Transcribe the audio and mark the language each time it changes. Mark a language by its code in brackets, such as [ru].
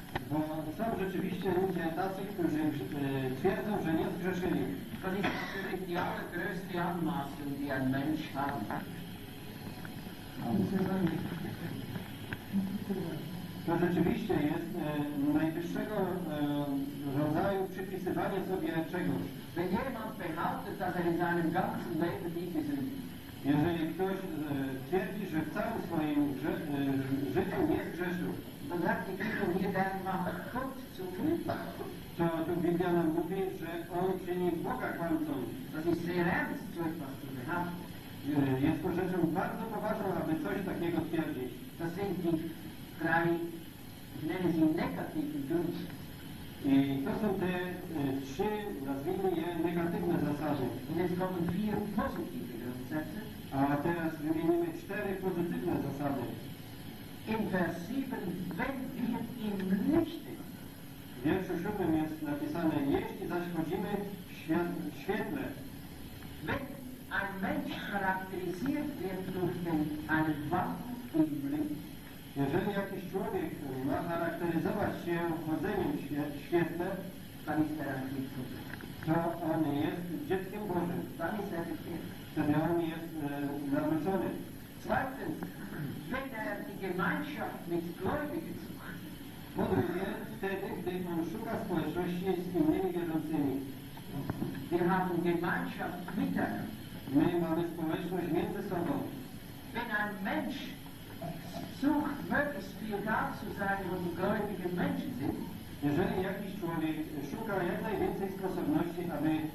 [pl] Bo są rzeczywiście ludzie tacy, którzy twierdzą, że nie zgrzeszyli. [de] Das ist natürlich die allergrößte Anmaßung, die ein Mensch haben kann. [pl] To rzeczywiście jest najwyższego rodzaju przypisywanie sobie czegoś. [de] Wenn jemand behauptet, dass er in seinem ganzen Leben nie sündigt. [pl] Jeżeli ktoś twierdzi, że w całym swoim życiu nie zgrzeszył. [de] Dann sagt die Bibel hier, der macht Gott zum Glück. [pl] To tu Biblia nam mówi, że on czyni Boga kłamcą. [de] Das ist sehr ernst, so etwas zu behaupten. [pl] Jest to rzeczą bardzo poważną, aby coś takiego twierdzić. [de] Das sind die drei, ich nenne sie negativen Grundsätze. [pl] I to są te trzy, nazwijmy je, negatywne zasady. [de] Und jetzt kommen vier positive Grundsätze. [pl] A teraz wymienimy 4 pozytywne zasady. [de] In Vers 7, wenn wir im Lichte. [pl] W wierszu 7 jest napisane, jeśli zaś chodzimy w świetle. [de] Wenn ein Mensch charakterisiert wird durch den einen Wandel im Licht. [pl] Jeżeli jakiś człowiek ma charakteryzować się chodzeniem w świetle, [de] dann ist er ein Kind Gottes. [pl] To on jest dzieckiem Bożym. [de] Dann ist er ein Kind. [pl] Wtedy on jest nawrócony. [de] Zweitens, wenn er die Gemeinschaft mit Gläubigen sucht. [pl] Po drugie, wtedy, gdy on szuka społeczności z innymi wierzącymi. [de] Wir haben Gemeinschaft mit ihm. [pl] My mamy społeczność między sobą. [de] Wenn ein Mensch sucht, möglichst viel da zu sein, wo die gläubigen Menschen sind. [pl] Jeżeli jakiś człowiek szuka jak najwięcej sposobności, aby